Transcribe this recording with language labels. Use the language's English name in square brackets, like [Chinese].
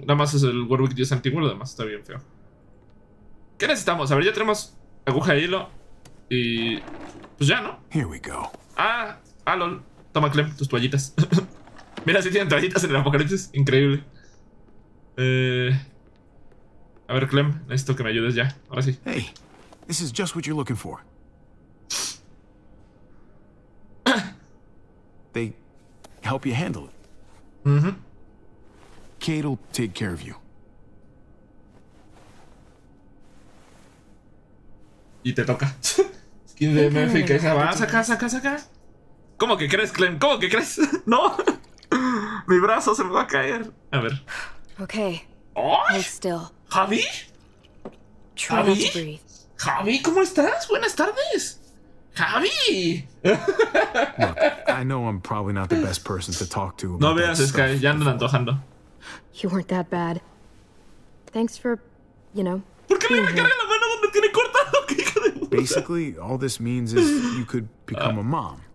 [Spanish] Nada más es el Warwick 10 antiguo, lo demás está bien feo. ¿Qué necesitamos? A ver, ya tenemos aguja de hilo. Y... pues ya, ¿no? [English] Here we go. [Spanish] Ah, lol. Toma, Clem, tus toallitas. Mira, si sí tienen toallitas en el apocalipsis. Increíble. A ver, Clem, necesito que me ayudes ya. Ahora sí. [English] Hey, this is just what you're looking for. They help you handle it. Mm-hmm. Kate'll take care of you. [Spanish] Y te toca. Skin de MF y queja. Va, saca, saca, saca. ¿Cómo que crees, Clem? ¿Cómo que crees? No. Mi brazo se me va a caer. A ver. [English] Okay. Oh. Still. Javi. Javi. [Spanish] Javi, ¿cómo estás? Buenas tardes. Javi. [English] Look, I know I'm probably not the best person to talk to. [Spanish] No veas, Sky, ya andan antojando. [English] You weren't that bad. Thanks for, you know. [Spanish] ¿Por qué le cargan la mano donde tiene cortado? [English] Basically, all this means is you could become a mom.